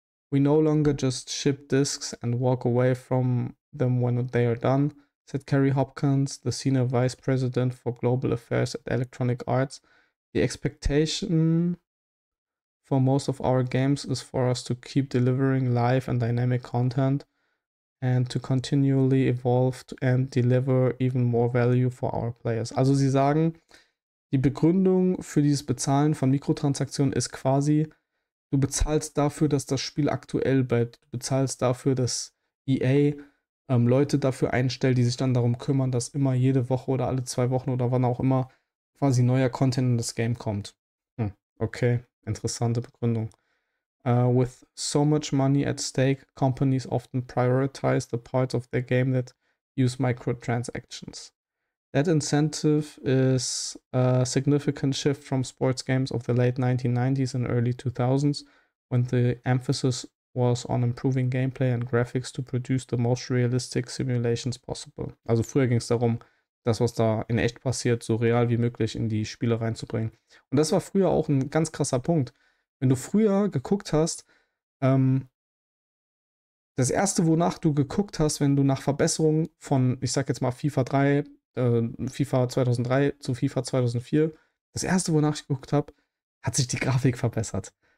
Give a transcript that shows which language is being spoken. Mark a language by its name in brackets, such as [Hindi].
[English] We no longer just ship discs and walk away from them when they are done, said Kerry Hopkins, the senior vice president for global affairs at Electronic Arts. The expectation for most of our games is for us to keep delivering live and dynamic content and to continually evolve and deliver even more value for our players. [German] Also sie sagen, die Begründung für dieses Bezahlen von Mikrotransaktionen ist quasi, du bezahlst dafür, dass das Spiel aktuell bleibt. Du bezahlst dafür, dass EA Leute dafür einstellt, die sich dann darum kümmern, dass immer jede Woche oder alle 2 Wochen oder wann auch immer quasi neuer Content in das Game kommt. Okay, interessante Begründung. [English] With so much money at stake, companies often prioritize the parts of their game that use microtransactions. That incentive is a significant shift from sports games of the late 1990s and early 2000s, when the emphasis was on improving gameplay and graphics to produce the most realistic simulations possible. [German] Also früher ging es darum, das, was da in echt passiert, so real wie möglich in die Spiele reinzubringen. Und das war früher auch ein ganz krasser Punkt. Wenn du früher geguckt hast, das Erste, wonach du geguckt hast, wenn du nach Verbesserungen von, ich sag jetzt mal FIFA 3, FIFA 2003 zu FIFA 2004, das Erste, wonach ich geguckt habe, hat sich die Grafik verbessert.